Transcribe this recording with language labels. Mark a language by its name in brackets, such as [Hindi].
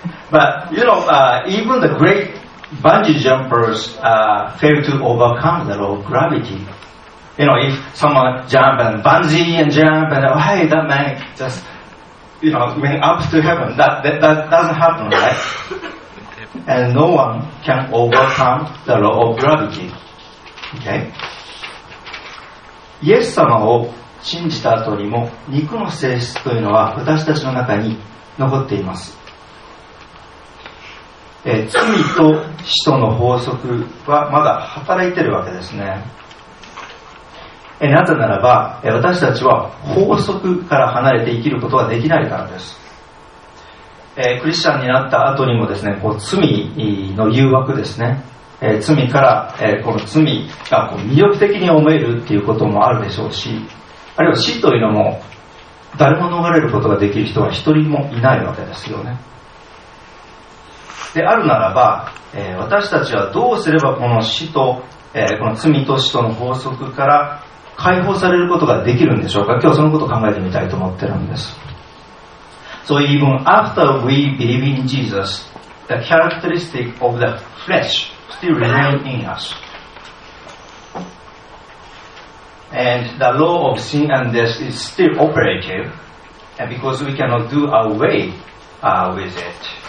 [English] But, you know, even the great bungee jumpers fail to overcome the law of gravity. You know, if someone jump and bungee and jump and, oh, hey, that man just, you know, went up to heaven. That doesn't happen, right? And no one can overcome the law of gravity. [Japanese] Okay? イエス様を信じた後にも肉の性質というのは私たちの中に残っています。罪と死との法則はまだ働いているわけですね。なぜならば私たちは法則から離れて生きることができないからです。クリスチャンになった後にもですね、こう罪の誘惑ですね、罪から、この罪がこう魅力的に思えるっていうこともあるでしょうし、あるいは死というのも誰も逃れることができる人は一人もいないわけですよね。であるならば、私たちはどうすればこの死と、この罪と死との法則から解放されることができるんでしょうか。今日そのことを考えてみたいと思ってるんです。 [English] So even after we believe in Jesus, the characteristic of the flesh still remains in us. And the law of sin and death is still operative, and because we cannot do away with it.